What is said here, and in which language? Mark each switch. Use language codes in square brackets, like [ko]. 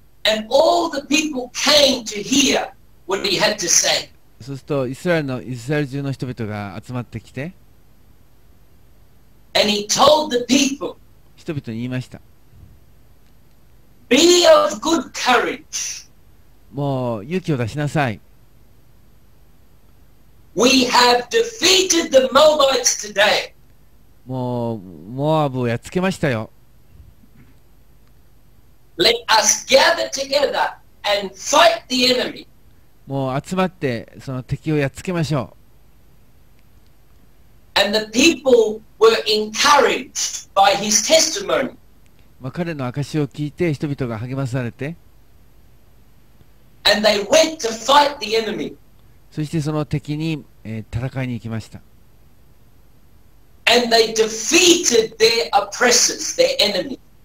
[en] And all the people came to hear what he had to say. [ja] そうするとイスラエル中の人々が集まってきて、 [en] And he told the people, [ja] 人々に言いました。 [en] Be of good courage. [ja] もう勇気を出しなさい。 [en] We have defeated the Moabites today. [ja] もうモアブをやっつけましたよ。 [en] Let us gather together and fight the enemy. [ja] もう集まってその敵をやっつけましょう。 [en] And the people were encouraged by his testimony. [ja] まあ彼の証を聞いて人々が励まされて。 [en] And they went to fight the enemy. [ja] そしてその敵に、戦いに行きました。 [en] And they defeated their oppressors, their enemy.